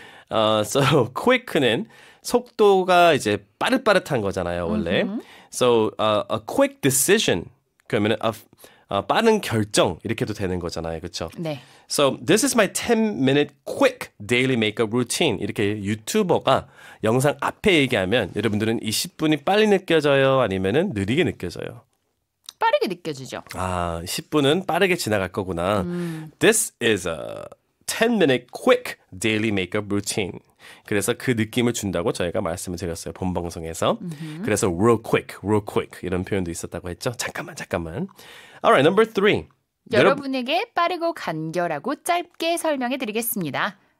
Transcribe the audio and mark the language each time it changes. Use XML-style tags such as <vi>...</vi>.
<ko>So quick는 속도가 이제 빠릇빠릇한 거잖아요, 원래.</ko> <en>So a quick decision,</en> <ko>그러면 빠른 결정 이렇게도 되는 거잖아요, 그렇죠? 네.</ko> <en>So this is my 10-minute quick daily makeup routine.</en> <ko>이렇게 유튜버가 영상 앞에 얘기하면 여러분들은 이 10분이 빨리 느껴져요, 아니면은 느리게 느껴져요? 빠르게 느껴지죠. 아, 10분은 빠르게 지나갈 거구나.</ko> <en>This is a 10-minute quick daily makeup routine.</en> <ko>그래서 그 느낌을 준다고 저희가 말씀을 드렸어요. 본 방송에서. 그래서 real quick 이런 표현도 있었다고 했죠. 잠깐만.</ko> <en>All right, number three.</en> <ko>여러분에게 빠르고 간결하고 짧게 설명해 드리겠습니다.</ko>